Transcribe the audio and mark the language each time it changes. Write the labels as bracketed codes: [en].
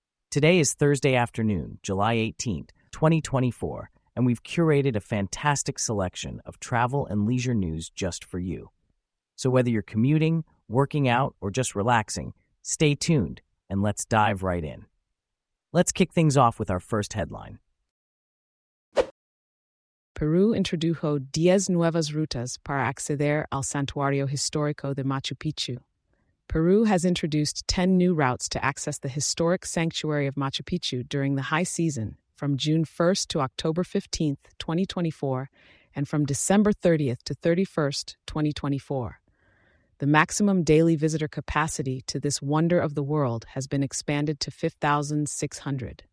[en] Today is Thursday afternoon, July 18th, 2024, and we've curated a fantastic selection of travel and leisure news just for you. So whether you're commuting, working out, or just relaxing, stay tuned and let's dive right in. Let's kick things off with our first headline. [es] Peru introdujo 10 nuevas rutas para acceder al Santuario Histórico de Machu Picchu. [en] Peru has introduced 10 new routes to access the historic sanctuary of Machu Picchu during the high season, from June 1st to October 15th, 2024, and from December 30th to 31st, 2024. The maximum daily visitor capacity to this wonder of the world has been expanded to 5,600.